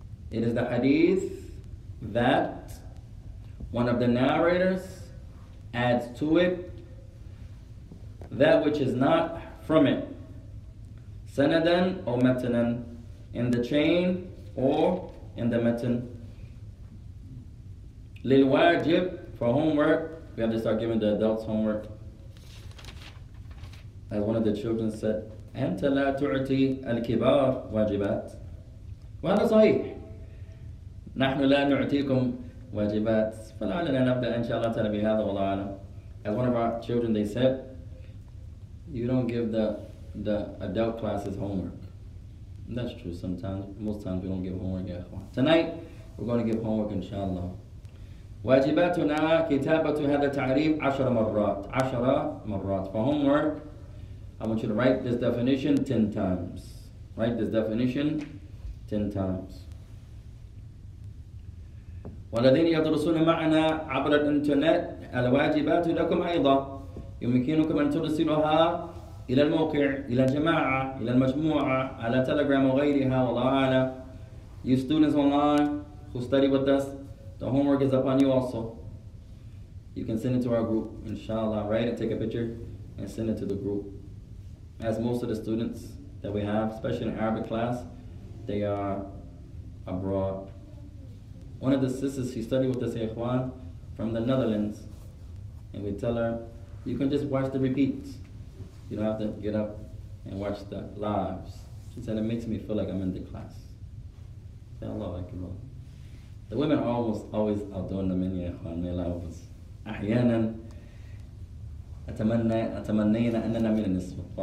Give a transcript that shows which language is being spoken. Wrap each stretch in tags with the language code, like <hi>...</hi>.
<en>It is the hadith that one of the narrators adds to it that which is not from it.</en> <ar>سندًا أو متنًا</ar> <en>in the chain or in the matan. للواجب for homework. We have to start giving the adults homework. As one of the children said,</en> <ar>أنت لا تعطي الكبار واجبات. وهذا صحيح. نحن لا نعطيكم واجبات. فلعلنا نبدأ إن شاء الله تعالى بهذا والله أعلم.</ar> <en>As one of our children, they said, you don't give the adult classes homework. That's true sometimes. Most times we don't give homework, ya ikhwan. Tonight, we're going to give homework, inshallah.</en> <ar>واجباتنا كتابة هذا التعريف عشر مرات. عشر مرات.</ar> <en>For homework, I want you to write this definition 10 times. Write this definition 10 times.</en> <ar>والذين يدرسون معنا عبر الانترنت الواجبات لكم أيضا يمكنكم أن ترسلوها إلى الموقع، إلى الجماعة، إلى المجموعة، على تليجرام وغيرها والله أعلم.</ar> <en>You students online who study with us, the homework is upon you also. You can send it to our group, inshallah. Write it, take a picture, and send it to the group. As most of the students that we have, especially in Arabic class, they are abroad. One of the sisters, she studied with us, Ikhwan, from the Netherlands. And we tell her, you can just watch the repeats. You don't have to get up and watch the lives. She said, it makes me feel like I'm in the class. Say, Allah Akbar. The women are almost always outdoing the men, Ikhwan. May Allah help us.</en> <ar>أحياناً أتمنينا أننا من النصف.</ar>